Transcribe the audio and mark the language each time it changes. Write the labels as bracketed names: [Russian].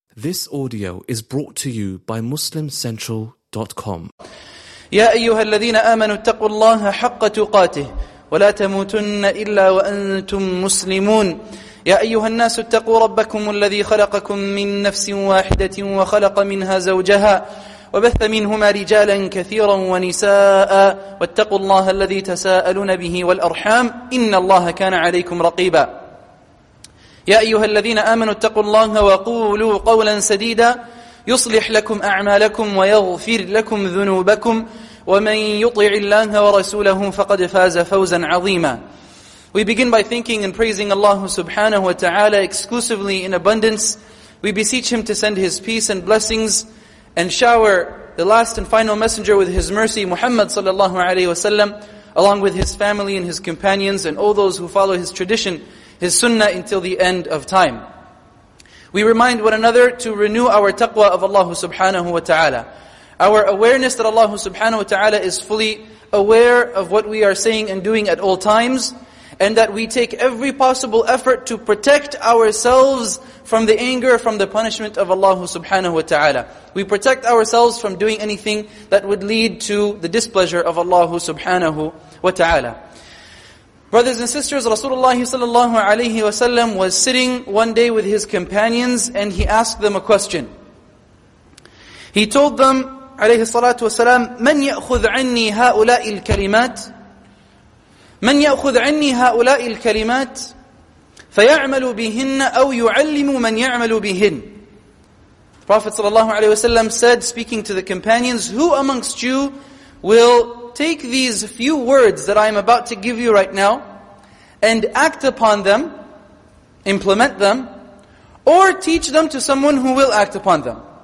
[English] This audio is brought to you by MuslimCentral.com. [Arabic] يا أيها الذين آمنوا اتقوا الله حق تقاته ولا تموتن إلا وأنتم مسلمون. يا أيها الناس اتقوا ربكم الذي خلقكم من نفس واحدة وخلق منها زوجها وبث منهما رجالا كثيرا ونساء واتقوا الله الذي تساءلون به والأرحام إن الله كان عليكم رقيبا. يا أيها الذين آمنوا اتقوا الله وقولوا قولا سديدا يصلح لكم أعمالكم ويغفر لكم ذنوبكم ومن يطع الله ورسوله فقد فاز فوزا عظيما. [English] We begin by thanking and praising Allah subhanahu wa ta'ala exclusively in abundance. We beseech Him to send His peace and blessings and shower the last and final messenger with His mercy, Muhammad sallallahu alayhi wa sallam, along with His family and His companions and all those who follow His tradition, His sunnah until the end of time. We remind one another to renew our taqwa of Allah subhanahu wa ta'ala. Our awareness that Allah subhanahu wa ta'ala is fully aware of what we are saying and doing at all times, and that we take every possible effort to protect ourselves from the anger, from the punishment of Allah subhanahu wa ta'ala. We protect ourselves from doing anything that would lead to the displeasure of Allah subhanahu wa ta'ala. Brothers and sisters, Rasulullah sallallahu alayhi wa sallam was sitting one day with his companions and he asked them a question. He told them, [Arabic] alayhi salatu wa salam, مَنْ يَأْخُذْ عَنِّي هَؤُلَاءِ الْكَلِمَاتِ مَنْ يَأْخُذْ عَنِّي هَؤُلَاءِ الْكَلِمَاتِ فَيَعْمَلُ بِهِنَّ أَوْ يُعَلِّمُ مَنْ يَعْمَلُ بِهِنَّ. [English] Prophet sallallahu alayhi wa sallam said, speaking to the companions, who amongst you will take these few words that I am about to give you right now and act upon them, implement them, or teach them to someone who will act upon them.